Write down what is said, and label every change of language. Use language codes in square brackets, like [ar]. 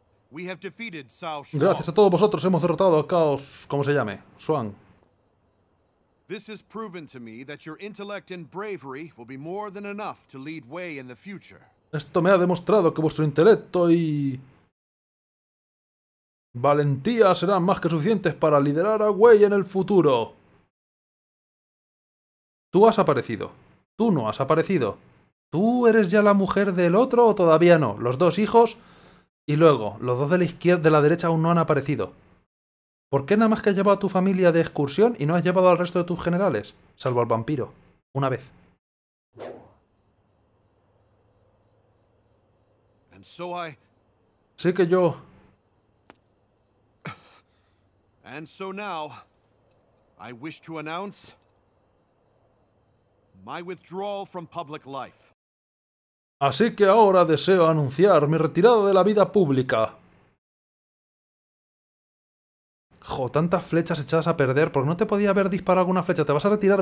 [es] Gracias a todos vosotros, hemos derrotado a Cao, ¿cómo se llame? Shuang. [en] This has proven to me that your intellect and bravery will be more than enough to lead Wei in the future. [es] Esto me ha demostrado que vuestro intelecto y valentía serán más que suficientes para liderar a Wei en el futuro. Tú has aparecido. Tú no has aparecido. ¿Tú eres ya la mujer del otro o todavía no? Los dos hijos y luego, los dos de la izquierda, de la derecha aún no han aparecido. ¿Por qué nada más que has llevado a tu familia de excursión y no has llevado al resto de tus generales? Salvo al vampiro. Una vez. Sé que yo... [en] And so now, I wish to announce my withdrawal from public life. [es] Así que ahora deseo anunciar mi retirada de la vida pública. Jo, tantas flechas echadas a perder. ¿Por qué no te podía haber disparado alguna flecha? ¿Te vas a retirar?